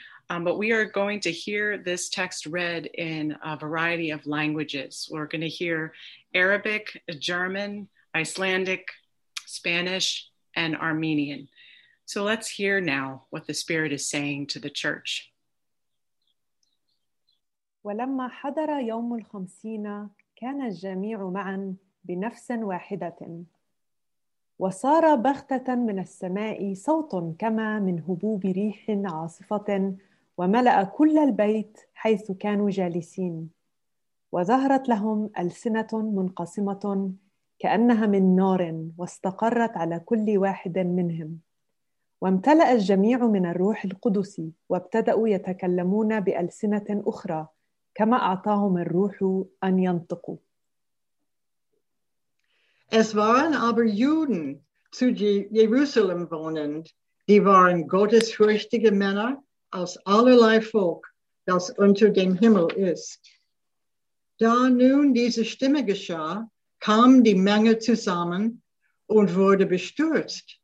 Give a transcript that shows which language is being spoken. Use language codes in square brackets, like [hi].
[en] But we are going to hear this text read in a variety of languages. We're going to hear Arabic, German, Icelandic, Spanish, and Armenian. So let's hear now what the Spirit is saying to the church. [ar] ولما حضر يوم الخمسين كان الجميع معا بنفس واحدة وصار بغتة من السماء صوت كما من هبوب ريح عاصفة وملأ كل البيت حيث كانوا جالسين وظهرت لهم ألسنة منقسمة كأنها من نار واستقرت على كل واحد منهم وامتلأ الجميع من الروح القدس وابتدأوا يتكلمون بألسنة أخرى كما أعطاهم الروح أن ينطقوا. [de] Es waren aber Juden zu Jerusalem wohnend, die waren gottesfürchtige Männer aus allerlei Volk, das unter dem Himmel ist. Da nun diese Stimme geschah, kam die Menge zusammen und wurde bestürzt.